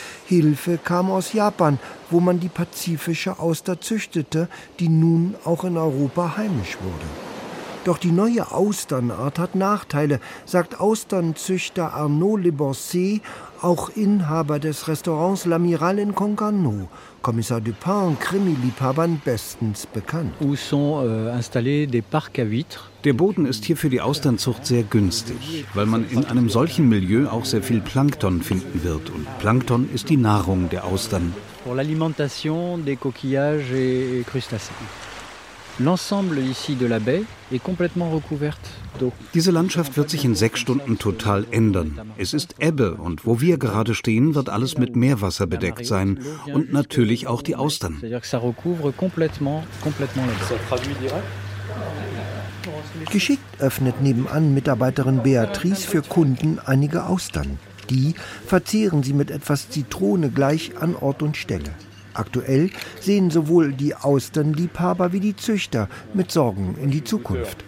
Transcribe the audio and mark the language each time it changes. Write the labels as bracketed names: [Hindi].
[German] Hilfe kam aus Japan, wo man die pazifische Auster züchtete, die nun auch in Europa heimisch wurde. Doch die neue Austernart hat Nachteile, sagt Austernzüchter Arnaud Leboncé, auch Inhaber des Restaurants L'Amiral in Concarneau, Kommissar Dupin und Krimi-Liebhabern bestens bekannt. [French] Où sont installés des parcs à vitres. [German] Der Boden ist hier für die Austernzucht sehr günstig, weil man in einem solchen Milieu auch sehr viel Plankton finden wird. Und Plankton ist die Nahrung der Austern. [French] Pour l'alimentation des coquillages et crustacés. L'ensemble ici de la baie est complètement recouvert d'eau. [German] Diese Landschaft wird sich in 6 Stunden total ändern. Es ist Ebbe und wo wir gerade stehen, wird alles mit Meerwasser bedeckt sein und natürlich auch die Austern. [French] Ça recouvre complètement la baie. [German] Geschickt öffnet nebenan Mitarbeiterin Beatrice für Kunden einige Austern. Die verzehren sie mit etwas Zitrone gleich an Ort und Stelle. Aktuell sehen sowohl die Austernliebhaber wie die Züchter mit Sorgen in die Zukunft.